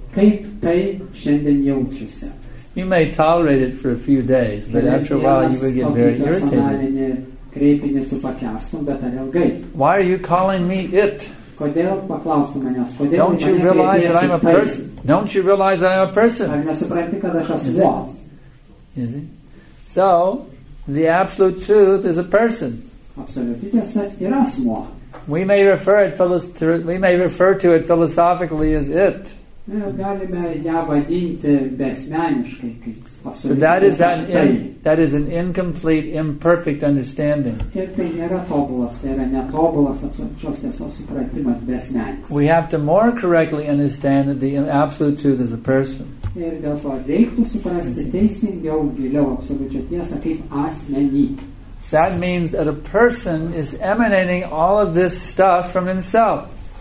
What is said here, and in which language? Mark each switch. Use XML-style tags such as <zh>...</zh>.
<lt>Kaip tai šiandien jaučiuosi?</lt> <en>You may tolerate it for a few days, but after a while you would get very irritated.</en> <lt>Kreipinį tu pakęstum, bet ar ilgai?</lt> <en>Why are you calling me it?</en> <lt>Kodėl paklausti manęs? Kodėl</lt> <en>Don't you realize that I'm a person? Don't you realize that I'm a person?</en> <lt>Ar nesupranti, kad aš asmuo?</lt> <en>Is it? So, the absolute truth is a person.</en> <lt>Absoliuti tiesa yra asmuo.</lt> <en>We may refer to it philosophically as it.</en> <lt>Galime ją vadinti besmeniškai kaip</lt> <en>So that is an that is an incomplete, imperfect understanding. We have to more correctly understand that the absolute truth is a person. That means that a person is emanating all of this stuff from himself.</en>